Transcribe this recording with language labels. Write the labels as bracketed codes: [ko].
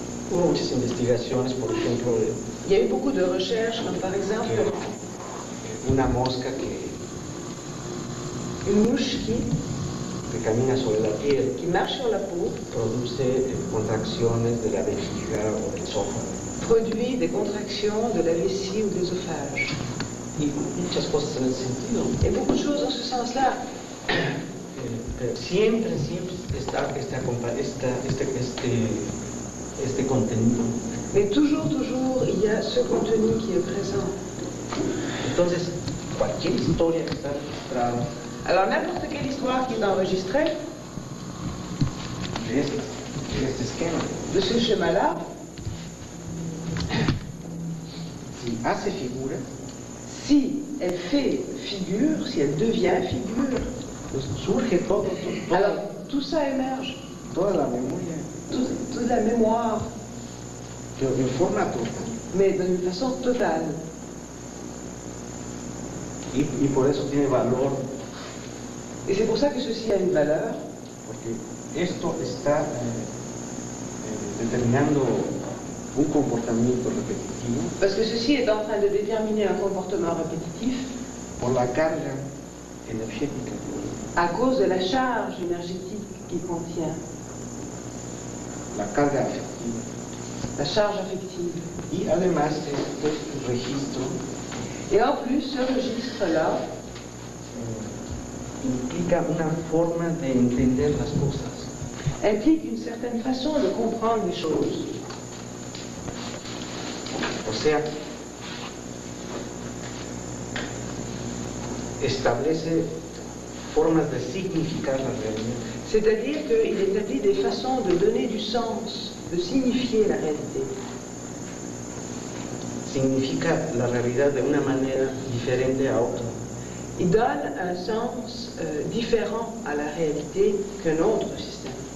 [es] Hubo muchas investigaciones, por ejemplo. Y hay [fr] beaucoup de recherches, comme par exemple. [es] Una mosca que. [fr] Une mouche qui. [es] Que camina sobre la piel. [fr] Qui marche sur la peau. [es] Produce contracciones de la vejiga o del esófago. [fr] Produit des contractions de la vessie ou de l'œsophage. [es] Y muchas cosas en ese sentido. [fr] Et beaucoup de choses en ce sens-là. [es] Siempre, siempre está este contenido. [fr] Mais toujours, il y a ce contenu qui est présent. [es] Entonces, cualquier historia que está registrada. [fr] Alors, n'importe quelle histoire qui est enregistrée. [es] De este esquema. [fr] De ce schéma-là. [es] Si hace figura. [fr] Si elle fait figure, si elle devient figure. [es] Pues surge todo. [fr] Alors, tout ça émerge. [es] Toda la memoria. [fr] Toute la mémoire. [es] Pero de forma total. [fr] Mais de une façon totale. [es] Y por eso tiene valor. [fr] Et c'est pour ça que ceci a une valeur. [es] Porque esto está determinando un comportamiento repetitivo. [fr] Parce que ceci est en train de déterminer un comportement répétitif. [es] Por la carga energética. [fr] À cause de la charge énergétique qu'il contient. [es] La carga affective. [fr] La charge affective. [es] Y además este registro. [fr] Et en plus, ce registre-là [es] implica una forma de entender las cosas. [fr] Implique une certaine façon de comprendre les choses. [es] O sea, establece formas de significar la realidad. [fr] C'est-à-dire qu'il établit des façons de donner du sens, de signifier la réalité. [es] Significa la realidad de una manera diferente a otra. [fr] Il donne un sens différent à la réalité qu'un autre système.